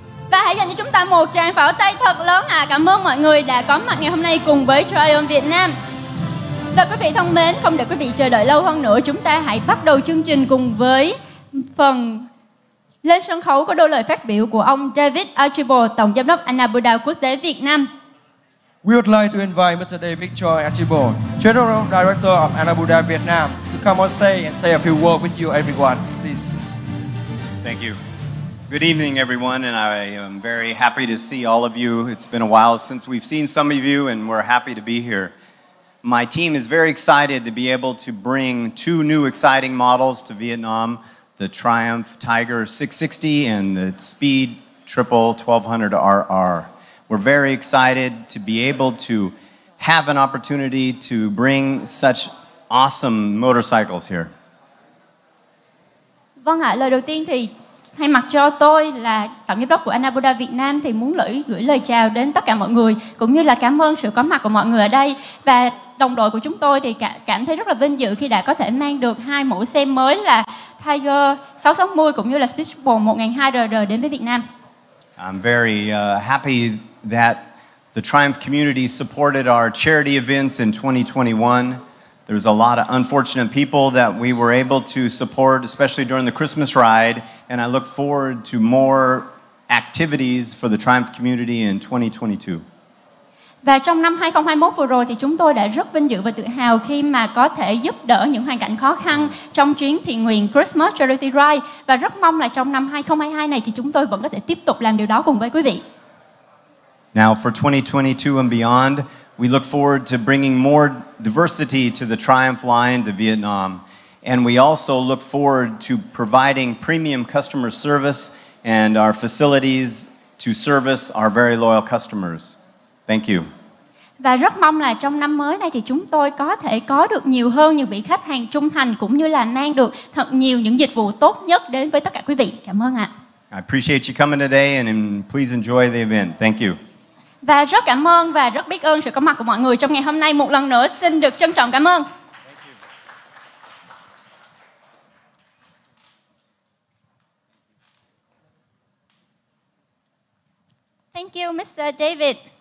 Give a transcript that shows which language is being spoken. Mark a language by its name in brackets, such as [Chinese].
[Vietnamese] Và hãy dành cho chúng ta một tràng pháo tay thật lớn ạ. Cảm ơn mọi người đã có mặt ngày hôm nay cùng với Trium Việt Nam. Và quý vị thân mến, không để quý vị chờ đợi lâu hơn nữa, chúng ta hãy bắt đầu chương trình cùng với phần lên sân khấu có đôi lời phát biểu của ông David Archibald, Tổng Giám đốc Anabuddha Quốc tế Việt Nam. [English] We would like to invite Mr. David Choi Archibald, General Director of Anabuddha Việt Nam, to come on stage and say a few words with you, everyone. Thank you. Good evening, everyone, and I am very happy to see all of you. It's been a while since we've seen some of you, and we're happy to be here. My team is very excited to be able to bring two new exciting models to Vietnam, the Triumph Tiger 660 and the Speed Triple 1200RR. We're very excited to be able to have an opportunity to bring such awesome motorcycles here. [Vietnamese] Vâng ạ, lời đầu tiên thì thay mặt cho tôi là Tổng Giám đốc của Anabuddha Việt Nam thì muốn gửi lời chào đến tất cả mọi người cũng như là cảm ơn sự có mặt của mọi người ở đây. Và đồng đội của chúng tôi thì cảm thấy rất là vinh dự khi đã có thể mang được hai mẫu xe mới là Tiger 660 cũng như là Speed Triple 1200RR đến với Việt Nam. [English] I'm very happy that the Triumph community supported our charity events in 2021. There's a lot of unfortunate people that we were able to support, especially during the Christmas ride, and I look forward to more activities for the Triumph community in 2022. [Vietnamese] Và trong năm 2021 vừa rồi thì chúng tôi đã rất vinh dự và tự hào khi mà có thể giúp đỡ những hoàn cảnh khó khăn trong chuyến thiện nguyện Christmas Charity Ride và rất mong là trong năm 2022 này thì chúng tôi vẫn có thể tiếp tục làm điều đó cùng với quý vị. [English] Now for 2022 and beyond, we look forward to bringing more diversity to the Triumph line to Vietnam. And we also look forward to providing premium customer service and our facilities to service our very loyal customers. Thank you. [Vietnamese] Và rất mong là trong năm mới này thì chúng tôi có thể có được nhiều hơn những vị khách hàng trung thành cũng như là mang được thật nhiều những dịch vụ tốt nhất đến với tất cả quý vị. Cảm ơn ạ. [English] I appreciate you coming today and please enjoy the event. Thank you. [Vietnamese] Và rất cảm ơn và rất biết ơn sự có mặt của mọi người trong ngày hôm nay. Một lần nữa xin được trân trọng cảm ơn. [English] Thank you, Mr. David.